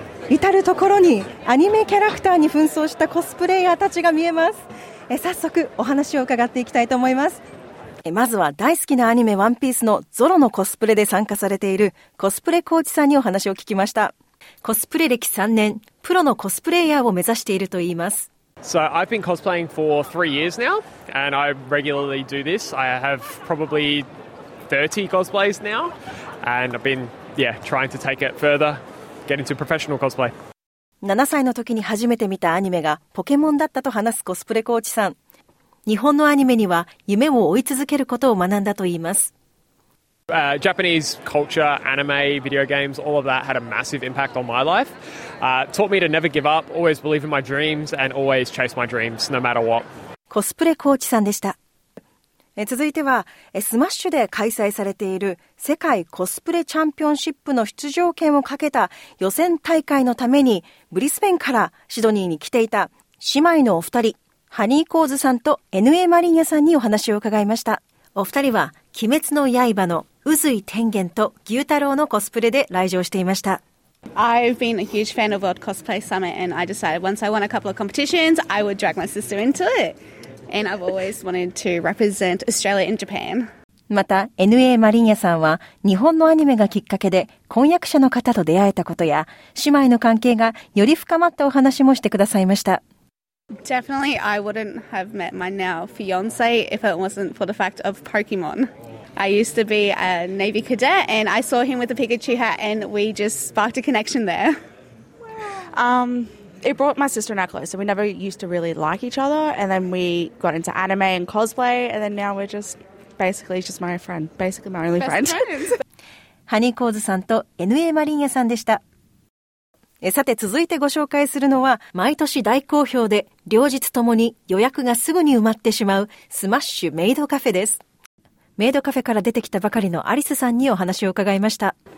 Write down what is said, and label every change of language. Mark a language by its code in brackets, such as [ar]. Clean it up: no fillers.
[ja] 至る所にアニメキャラクターに扮装したコスプレイヤーたちが見えます。早速お話を伺っていきたいと思います。まずは大好きなアニメワンピースのゾロのコスプレで参加されているコスプレコーチさんにお話を聞きました。コスプレ歴3年、プロのコスプレイヤーを目指しているといいます。 [en] So I've been cosplaying for 3 years now, and I regularly do this. I have probably 30 cosplays now, and I've been, yeah, trying to take it further, get into professional cosplay. [ja] 7歳の時に初めて見たアニメがポケモンだったと話すコスプレコーチさん。日本のアニメには夢を追い続けることを学んだといいます。 [en] Japanese culture, anime, video games, all of that had a massive impact on my life. Taught me to never give up, always believe in my dreams, and always chase my dreams, no matter what. [ja] コスプレコーチさんでした。続いては、スマッシュで開催されている世界コスプレチャンピオンシップの出場権をかけた予選大会のためにブリスベンからシドニーに来ていた姉妹のお二人、ハニーコーズさんと NA マリンヤさんにお話を伺いました。お二人は鬼滅の刃の宇髄天元と牛太郎のコスプレで来場していました。 [en] I've been a huge fan of World Cosplay Summit and I decided once I won a couple of competitions, I would drag my sister into it. And I've always wanted to represent Australia and Japan. [ja] また NA マリンヤさんは日本のアニメがきっかけで婚約者の方と出会えたことや姉妹の関係がより深まったお話もしてくださいました。 [en] Definitely, I wouldn't have met my now fiance if it wasn't for the fact of Pokemon. I used to be a Navy cadet, and I saw him with a Pikachu hat, and we just sparked a connection there. It brought my sister and I closer. We never used to really like each other, and then we got into anime and cosplay, and then now we're just basically just my friend, basically my only friend. [ja] ハニーコーズさんと NA マリンヤさんでした。さて続いてご紹介するのは毎年大好評で両日ともに予約がすぐに埋まってしまうスマッシュメイドカフェです。メイドカフェから出てきたばかりのアリスさんにお話を伺いました。